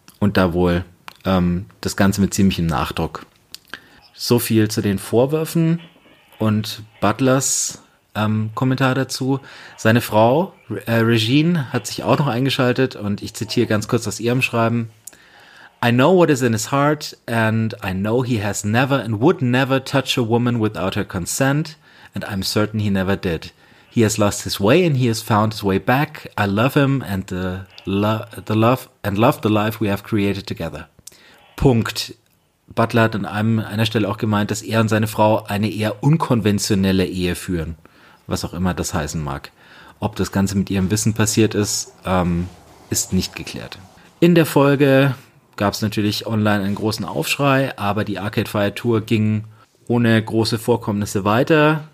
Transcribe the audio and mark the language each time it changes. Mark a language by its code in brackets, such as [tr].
[de] Und da wohl das Ganze mit ziemlichem Nachdruck. So viel zu den Vorwürfen und Butlers Kommentar dazu. Seine Frau, Regine, hat sich auch noch eingeschaltet und ich zitiere ganz kurz aus ihrem Schreiben. [en] I know what is in his heart, and I know he has never and would never touch a woman without her consent, and I'm certain he never did. He has lost his way and he has found his way back. I love him and love the life we have created together. [de] Punkt. Butler hat an einer Stelle auch gemeint, dass er und seine Frau eine eher unkonventionelle Ehe führen, was auch immer das heißen mag. Ob das Ganze mit ihrem Wissen passiert ist, ist nicht geklärt. In der Folge gab es natürlich online einen großen Aufschrei, aber die Arcade Fire Tour ging ohne große Vorkommnisse weiter.